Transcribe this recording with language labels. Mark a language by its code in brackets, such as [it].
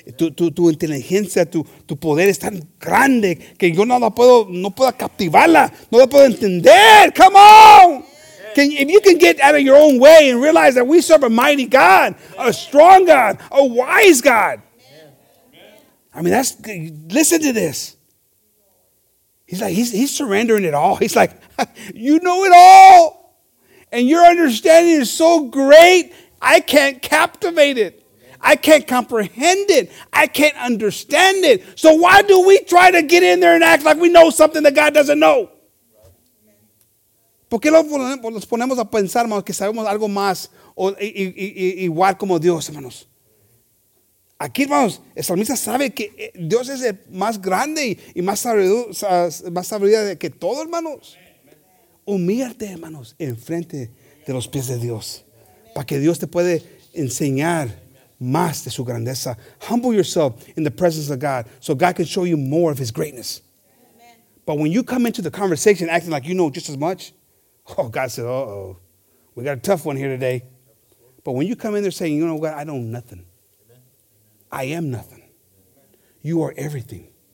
[es] Tu inteligencia, tu poder es tan grande que yo no puedo captivarla, no la puedo entender. [en] Come on! If you can get out of your own way and realize that we serve a mighty God, a strong God, a wise God. I mean, that's, listen to this. He's like, he's surrendering it all. He's like, you know it all. And your understanding is so great, I can't captivate it. I can't comprehend it. I can't understand it. So why do we try to get in there and act like we know something that God doesn't know? [es] ¿Por qué los ponemos a pensar, hermanos, que sabemos algo más o igual como Dios, hermanos? Aquí, hermanos, el salmista sabe que Dios es el más grande y más sabiduría que todo, hermanos. Humíllate, hermanos, enfrente de los pies de Dios para que Dios te puede enseñar más de su grandeza. [en] Humble yourself in the presence of God so God can show you more of his greatness. But when you come into the conversation acting like you know just as much, oh, God said, uh-oh, we got a tough one here today. But when you come in there saying, you know what, I know nothing. I am nothing. You are everything.